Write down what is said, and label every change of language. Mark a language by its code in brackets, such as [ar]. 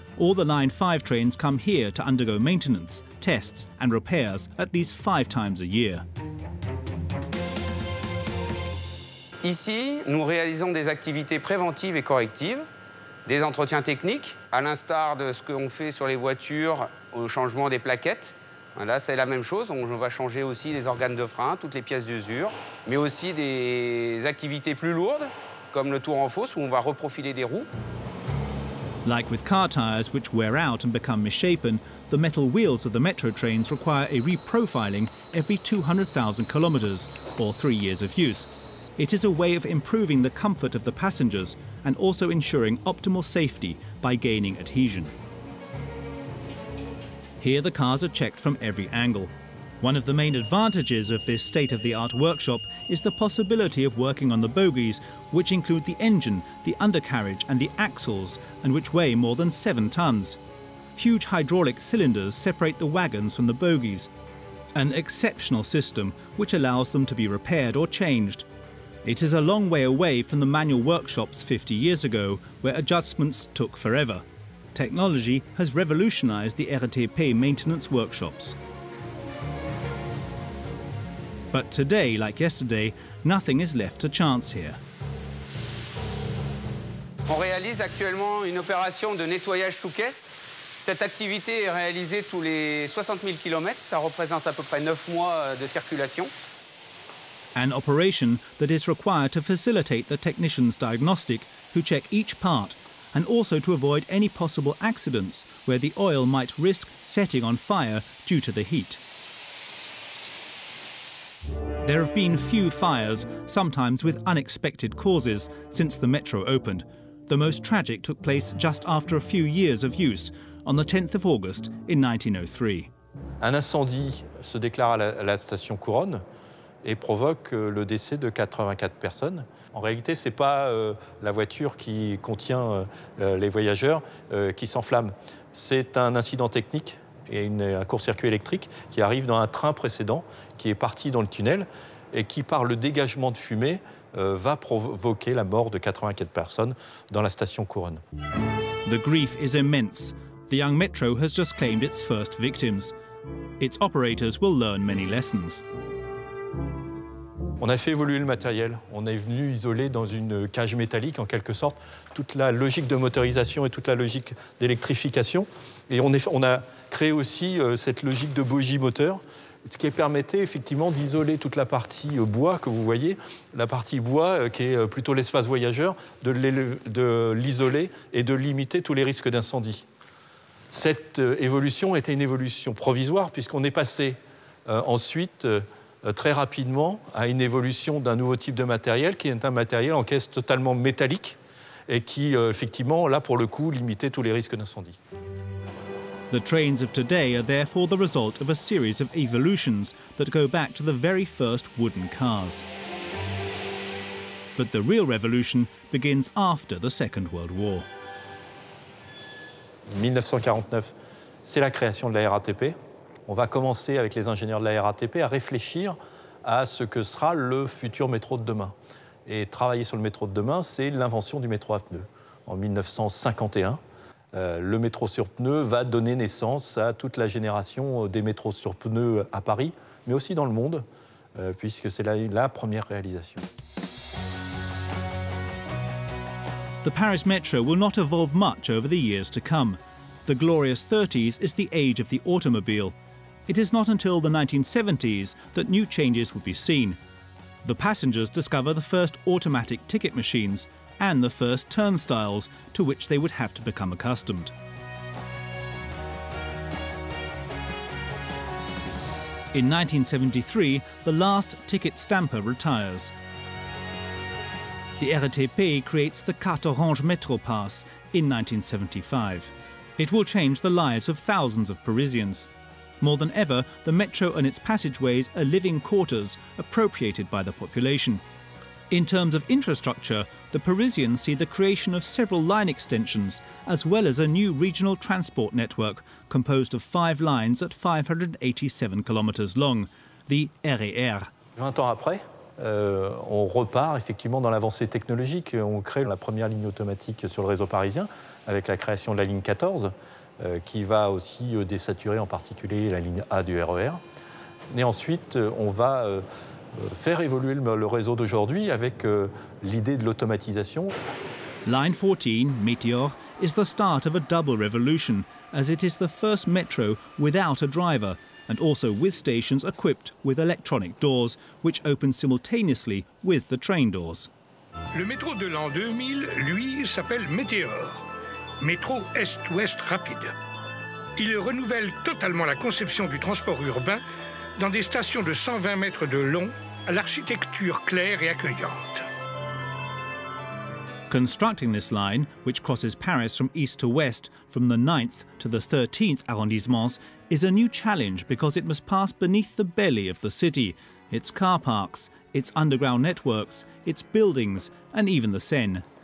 [en] All the Line 5 trains come here to undergo maintenance, tests and repairs at least 5 times a year. [fr] Ici, nous réalisons des activités préventives et correctives, des entretiens techniques, à l'instar de ce qu'on fait sur les voitures, au changement des plaquettes. Là, c'est la même chose, on va changer aussi les organes de frein, toutes les pièces d'usure, mais aussi des activités plus lourdes, comme le tour en fosse, où on va reprofiler des roues. [en] Like with car tires, which wear out and become misshapen, the metal wheels of the metro trains require a reprofiling every 200,000 kilometers, or 3 years of use. It is a way of improving the comfort of the passengers and also ensuring optimal safety by gaining adhesion. Here the cars are checked from every angle. One of the main advantages of this state-of-the-art workshop is the possibility of working on the bogies, which include the engine, the undercarriage and the axles, and which weigh more than 7 tons. Huge hydraulic cylinders separate the wagons from the bogies, an exceptional system which allows them to be repaired or changed. It is a long way away from the manual workshops 50 years ago, where adjustments took forever. Technology has revolutionized the RTP maintenance workshops. But today, like yesterday, nothing is left to chance here. [fr] On réalise actuellement une opération de nettoyage sous caisse. Cette activité est réalisée tous les 60 000 km. Ça représente à peu près 9 mois de circulation. [en] An operation that is required to facilitate the technician's diagnostic, who check each part, and also to avoid any possible accidents where the oil might risk setting on fire due to the heat. There have been few fires, sometimes with unexpected causes, since the metro opened. The most tragic took place just after a few years of use, on the 10th of August in 1903. [fr] Un incendie se déclare à la station Couronne et provoque le décès de 84 personnes. En réalité, ce n'est pas la voiture qui contient les voyageurs qui s'enflamme. C'est un incident technique et un court-circuit électrique qui arrive dans un train précédent qui est parti dans le tunnel et qui, par le dégagement de fumée, va provoquer la mort de 84 personnes dans la station Couronne. [en] The grief is immense. The young metro has just claimed its first victims. Its operators will learn many lessons. [fr] On a fait évoluer le matériel. On est venu isoler dans une cage métallique, en quelque sorte, toute la logique de motorisation et toute la logique d'électrification. Et on a créé aussi cette logique de bogie moteur, ce qui permettait effectivement d'isoler toute la partie bois que vous voyez, la partie bois qui est plutôt l'espace voyageur, de l'isoler et de limiter tous les risques d'incendie. Cette évolution était une évolution provisoire, puisqu'on est passé ensuite très rapidement à une évolution d'un nouveau type de matériel, qui est un matériel en caisse totalement métallique et qui, effectivement, là, pour le coup, limitait tous les risques d'incendie. [en] The trains of today are therefore the result of a series of evolutions that go back to the very first wooden cars. But the real revolution begins after the Second World War. [fr] 1949, c'est la création de la RATP. On va commencer avec les ingénieurs de la RATP à réfléchir à ce que sera le futur métro de demain. Et travailler sur le métro de demain, c'est l'invention du métro à pneus. En 1951, le métro sur pneus va donner naissance à toute la génération des métros sur pneus à Paris, mais aussi dans le monde, puisque c'est la première réalisation. [en] The Paris Metro will not evolve much over the years to come. The glorious 30s is the age of the automobile. It is not until the 1970s that new changes will be seen. The passengers discover the first automatic ticket machines and the first turnstiles to which they would have to become accustomed. In 1973, the last ticket stamper retires. The RATP creates the Carte Orange Metro Pass in 1975. It will change the lives of thousands of Parisians. More than ever, the metro and its passageways are living quarters appropriated by the population. In terms of infrastructure, the Parisians see the creation of several line extensions, as well as a new regional transport network composed of 5 lines at 587 kilometers long, the RER. [fr] 20 ans après, on repart effectivement dans l'avancée technologique. On crée la première ligne automatique sur le réseau parisien avec la création de la ligne 14 qui va aussi désaturer en particulier la ligne A du RER. Et ensuite, on va faire évoluer le réseau d'aujourd'hui avec l'idée de l'automatisation. [en] Line 14, Meteor, is the start of a double revolution as it is the first metro without a driver, and also with stations equipped with electronic doors, which open simultaneously with the train doors. [fr] Le métro de l'an 2000, lui, s'appelle Meteor, métro Est-Ouest rapide. Il renouvelle totalement la conception du transport urbain dans des stations de 120 mètres de long à l'architecture claire et accueillante. [en] Constructing this line, which crosses Paris from east to west, from the 9th to the 13th arrondissements, is a new challenge because it must pass beneath the belly of the city, its car parks, its underground networks, its buildings, and even the Seine.